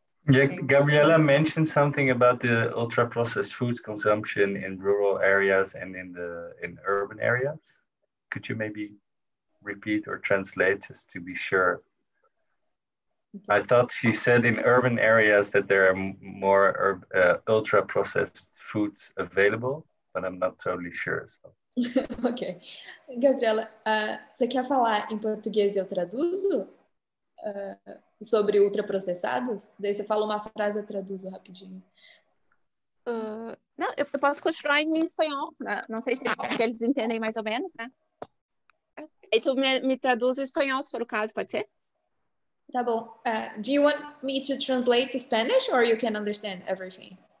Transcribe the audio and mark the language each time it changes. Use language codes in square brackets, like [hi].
[en] Yeah, Gabriela mentioned something about the ultra-processed food consumption in rural areas and in urban areas. Could you maybe repeat or translate just to be sure? Okay. I thought she said in urban areas that there are more ultra-processed foods available, but I'm not totally sure. So. Okay. [pt] Gabriela, você quer falar em português e eu traduzo? Sobre ultraprocessados? Daí você fala uma frase e eu traduzo rapidinho. Não, eu posso continuar em espanhol. Né? Não sei se eles entendem mais ou menos, né? Aí tu me traduz em espanhol, se for o caso, pode ser? Tá bom. [en] Do you want me to translate to Spanish or you can understand everything?